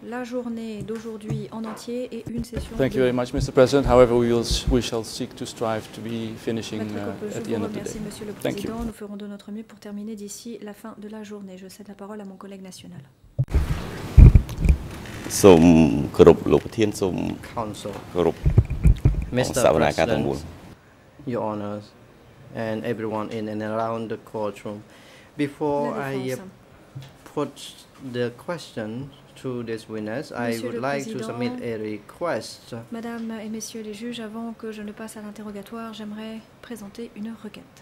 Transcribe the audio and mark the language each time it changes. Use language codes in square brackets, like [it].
[fr] La journée d'aujourd'hui en entier et une session. [en] Thank you very much, Mr. President. However, we shall seek to strive to be finishing at the end of the day. [fr] Monsieur le Président, nous ferons de notre mieux pour terminer d'ici la fin de la journée. Je cède la parole à mon collègue national. Som korop lopthien som [en] council korop Mr. President, Your Honours, and everyone in and around the courtroom. Before I put the question to this witness, I would like to submit a request. [fr] Madame et messieurs les juges, avant que je ne passe à l'interrogatoire, j'aimerais présenter une requête.